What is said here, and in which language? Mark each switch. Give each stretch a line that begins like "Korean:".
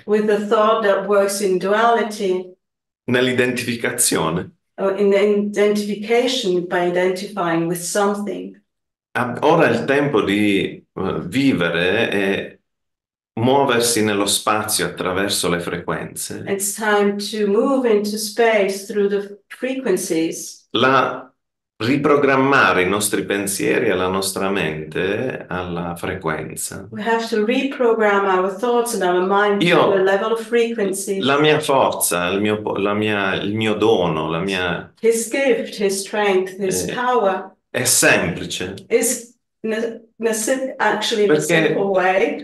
English: With a thought that works in duality.
Italian: Nell'identificazione.
English: In identification, by identifying with something.
Italian: Ora è il tempo di vivere e muoversi nello spazio attraverso le frequenze.
English: It's time to move into space through the frequencies.
Italian: Riprogrammare i nostri pensieri e la nostra mente alla frequenza.
English: We have to reprogram our thoughts and our mind
Italian: Io,
English: to a level of frequency.
Italian: La mia forza, il mio dono, la mia...
English: His gift, his strength, his power.
Italian: È semplice.
English: Is actually in
Italian: Perché
English: a simple way.